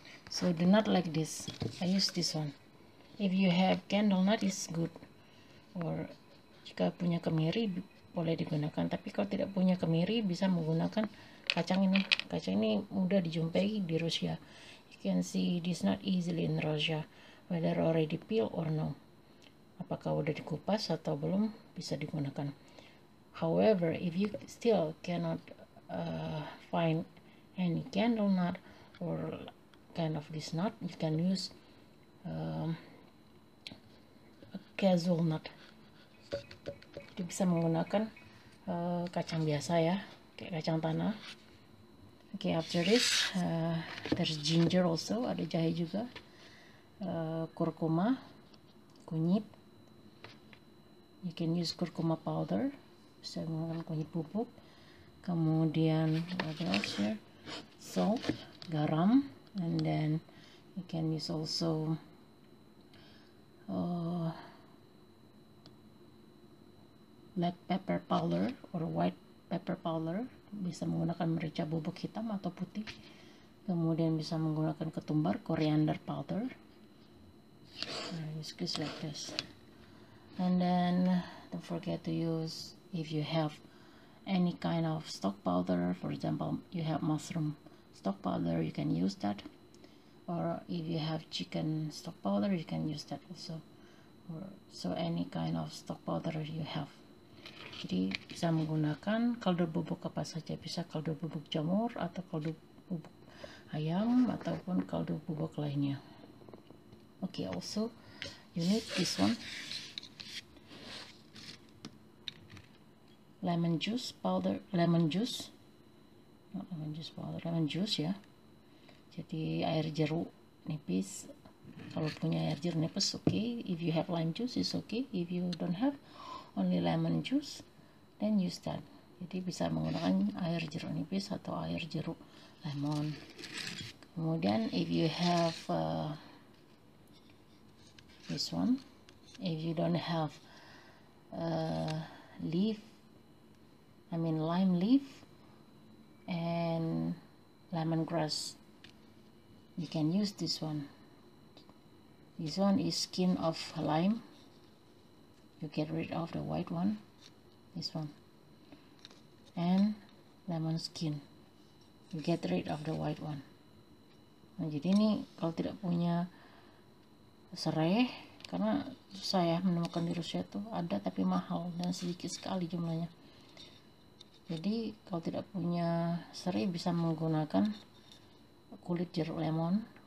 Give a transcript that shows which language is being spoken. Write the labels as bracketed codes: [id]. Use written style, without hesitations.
[en] So the nut like this. I use this one. If you have candle nut, is good. [id] Or jika punya kemiri, boleh digunakan. Tapi kalau tidak punya kemiri, bisa menggunakan kacang ini mudah dijumpai di Rusia. [en] You can see this not easily in Russia, whether already peel or no. [id] Apakah sudah dikupas atau belum bisa digunakan. [en] However, if you still cannot find any candle nut or kind of this nut, you can use a casual nut. [id] Jadi bisa menggunakan kacang biasa ya, kayak kacang tanah. [en] Okay, after this, there's ginger also, [id] ada jahe juga, [en] kurkuma, kunyit. You can use kurkuma powder, [id] bisa menggunakan kunyit bubuk. [en] Kemudian, what else here? Salt, garam, and then you can use also black pepper powder or white pepper powder. [id] Bisa menggunakan merica bubuk hitam atau putih. Kemudian bisa menggunakan ketumbar, [en] coriander powder. Use this like this. And then don't forget to use, if you have any kind of stock powder, for example you have mushroom stock powder, you can use that. Or if you have chicken stock powder, you can use that also. Or, so any kind of stock powder you have. [id] Jadi bisa menggunakan kaldu bubuk apa saja, bisa kaldu bubuk jamur atau kaldu bubuk ayam ataupun kaldu bubuk lainnya. [en] Okay, also you need this one, lemon juice powder, lemon juice, not lemon juice powder, lemon juice ya. [id] Jadi air jeruk nipis, kalau punya air jeruk nipis okay. [en] If you have lime juice is okay. If you don't have, only lemon juice. Then use that. [id] Jadi bisa menggunakan air jeruk nipis atau air jeruk lemon. [en] Kemudian if you have this one, if you don't have leaf, I mean lime leaf and lemongrass, you can use this one. This one is skin of lime. You get rid of the white one, this one. And lemon skin, get rid of the white one. [id] Nah, jadi ini kalau tidak punya serai, karena susah ya menemukan di Rusia tuh, ada tapi mahal dan sedikit sekali jumlahnya. Jadi kalau tidak punya serai bisa menggunakan kulit jeruk lemon.